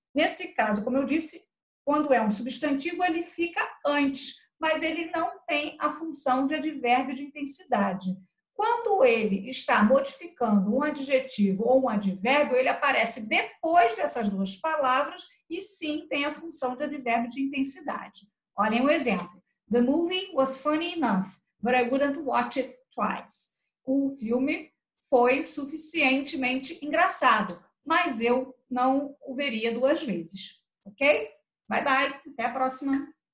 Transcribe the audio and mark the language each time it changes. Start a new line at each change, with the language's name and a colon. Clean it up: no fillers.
Portuguese: Nesse caso, como eu disse, quando é um substantivo, ele fica antes, mas ele não tem a função de advérbio de intensidade. Quando ele está modificando um adjetivo ou um advérbio, ele aparece depois dessas duas palavras e sim tem a função de advérbio de intensidade. Olhem o exemplo.
English: The movie was funny enough, but I wouldn't watch it twice.
Portuguese: O filme foi suficientemente engraçado, mas eu não o veria duas vezes. Ok? Bye bye, até a próxima!